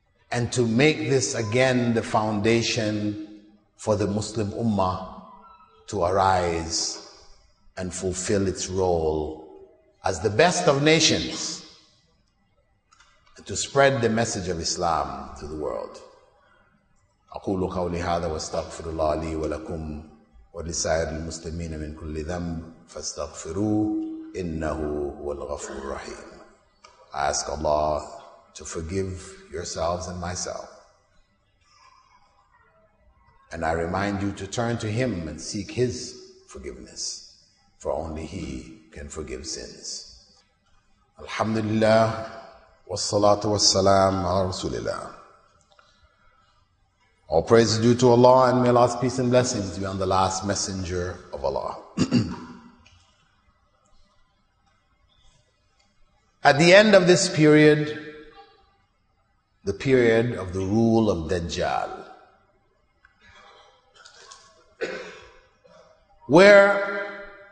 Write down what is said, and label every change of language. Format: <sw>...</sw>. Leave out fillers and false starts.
<en>and to make this again the foundation for the Muslim ummah to arise and fulfill its role as the best of nations, to spread the message of Islam to the world.</en> <ar>أقول قولي هذا واستغفر الله لي ولكم ولسائر المسلمين من كل ذنب فاستغفروه إنه هو الغفور الرحيم.</ar> <en>I ask Allah to forgive yourselves and myself. And I remind you to turn to Him and seek His forgiveness, for only He can forgive sins.</en> <ar>الحمد لله والصلاة والسلام على رسول الله.</ar> <en>All praise is due to Allah, and may Allah's peace and blessings be on the last messenger of Allah. At the end of this period, the period of the rule of Dajjal, where</en>